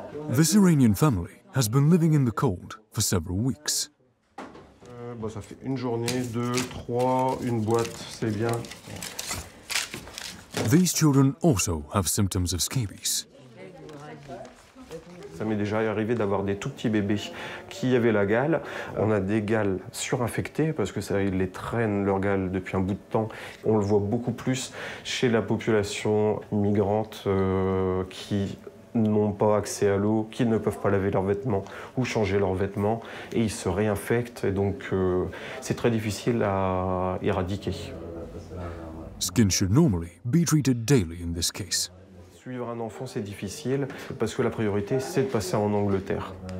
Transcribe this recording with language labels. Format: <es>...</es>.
<en>This Iranian family has been living in the cold for several weeks.</en> <fr>Bon, ça fait une journée, deux, trois, une boîte, c'est bien.</fr> <en>These children also have symptoms of scabies.</en> <fr>Ça m'est déjà arrivé d'avoir des tout petits bébés qui avaient la gale. On a des gales surinfectées parce que ça, ils les traînent leur gale depuis un bout de temps. On le voit beaucoup plus chez la population migrante qui n'ont pas accès à l'eau, qui ne peuvent pas laver leurs vêtements ou changer leurs vêtements et ils se réinfectent et donc c'est très difficile à éradiquer.</fr> <en>Skin should normally be treated daily in this case.</en> <fr>Suivre un enfant, c'est difficile parce que la priorité, c'est de passer en Angleterre.</fr>